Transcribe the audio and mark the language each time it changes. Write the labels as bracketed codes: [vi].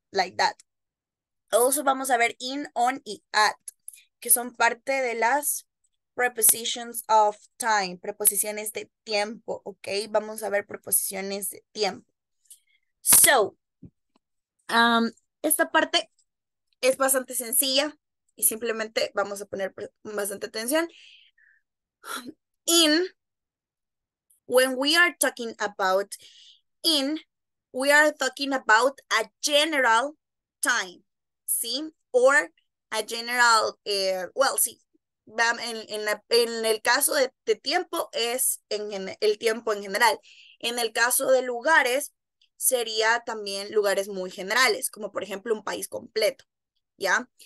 [en] Like that. [es] Also, vamos a ver in, on, y at, que son parte de las prepositions of time, preposiciones de tiempo, okay? Vamos a ver preposiciones de tiempo. So, esta parte es bastante sencilla, y simplemente vamos a poner bastante atención. [en] In... When we are talking about in, we are talking about a general time, ¿sí? Or a general, well, [es] sí, en el caso de tiempo es en el tiempo en general. En el caso de lugares, sería también lugares muy generales, como por ejemplo un país completo, ¿ya?